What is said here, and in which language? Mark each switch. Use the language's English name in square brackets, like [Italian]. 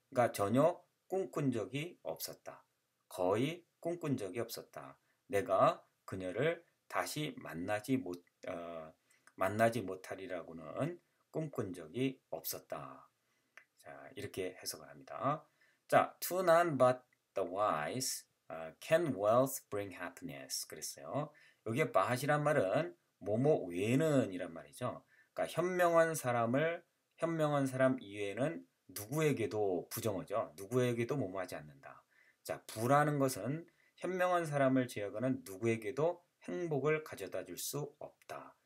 [Korean] 그러니까 전혀 꿈꾼 적이 없었다. 거의 꿈꾼 적이 없었다. 내가 그녀를 다시 만나지 못하리라고는 꿈꾼 적이 없었다. 자, 이렇게 해석을 합니다. 자, [English] to none but the wise can wealth bring happiness? [Korean] 그랬어요. 여기에 but이란 말은 뭐뭐 외에는 이란 말이죠. 그러니까 현명한 사람 이외에는 누구에게도 부정어죠. 누구에게도 뭐뭐하지 않는다. 자, 부라는 것은 현명한 사람을 제외하고는 누구에게도 행복을 가져다 줄 수 없다.